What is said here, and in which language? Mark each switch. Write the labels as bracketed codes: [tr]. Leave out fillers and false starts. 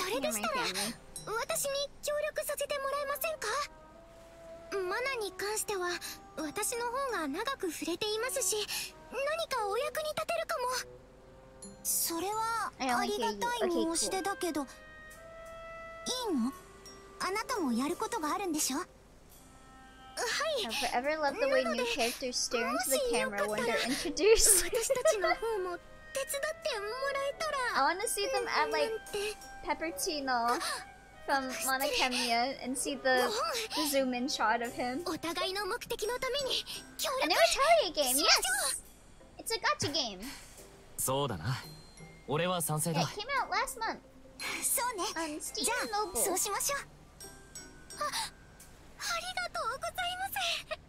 [ja] それでしたら私に協力させてもらえませんか。マナに関しては私の方が長く触れていますし、何かお役に立てるかも。それはありがたい申し出だけど、いいの？あなたもやることがあるんでしょ？はい。 [en] I forever love the way new characters stare into the camera when they're introduced. [ja] 私たちの方も手伝ってもらえたら。 [en] I wanna see them add like peppercino from Monochemia and see the zoom in shot of him. [ja] お互いの目的のために協力。 [en] A new Atelier game, yes. It's a gacha game. [ja] そうだな。俺は賛成だ。 [en] It came out last month. [ja] そうね。じゃあ、そうしましょう。ありがとうございます。